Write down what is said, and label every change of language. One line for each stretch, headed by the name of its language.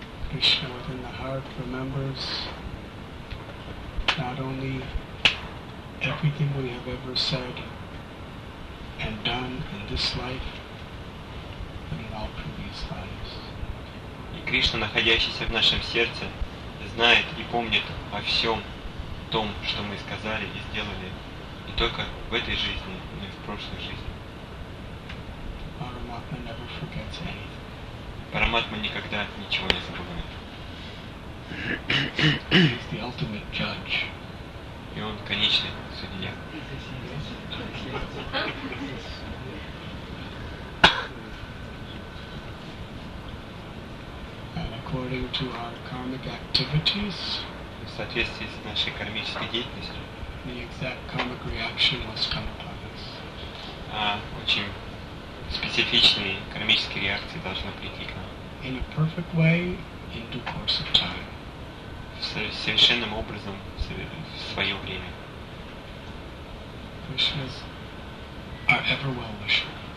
English: Krishna within the heart remembers not only everything we have ever said and done in this life, but in all previous lives.
Russian: И Кришна, находящийся в нашем сердце, знает и помнит о всем том, что мы сказали и сделали, не только в этой жизни, но и в прошлой жизни.
English: Paramatma never forgets anything.
Russian: Параматма никогда ничего не забывает.
English: He's the ultimate judge.
Russian: И он конечный судья.
English: And according to our karmic activities,
Russian: в соответствии с нашей кармической деятельностью,
English: the exact karmic reaction must come upon us.
Russian: Очень специфичные кармические реакции должны прийти к нам.
English: In a perfect way, in due course of time.
Russian: Совершенным образом в свое время.
English: Krishna's our ever well wisher.